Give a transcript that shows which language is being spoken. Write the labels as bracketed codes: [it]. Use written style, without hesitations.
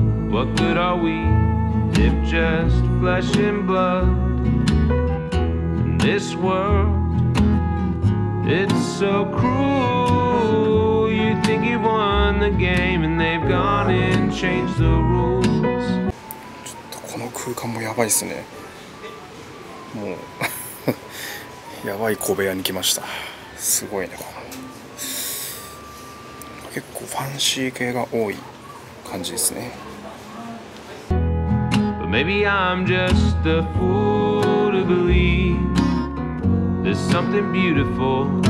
[en] What good are we if just flesh and blood? In this world, it's so cruel. You think you've won the game and they've gone and changed the rules. [ja] 空間もやばいですね。もうやばい小部屋に来ました。すごいね、この結構ファンシー系が多い感じですね。 [en] But maybe I'm just a fool to believe there's something beautiful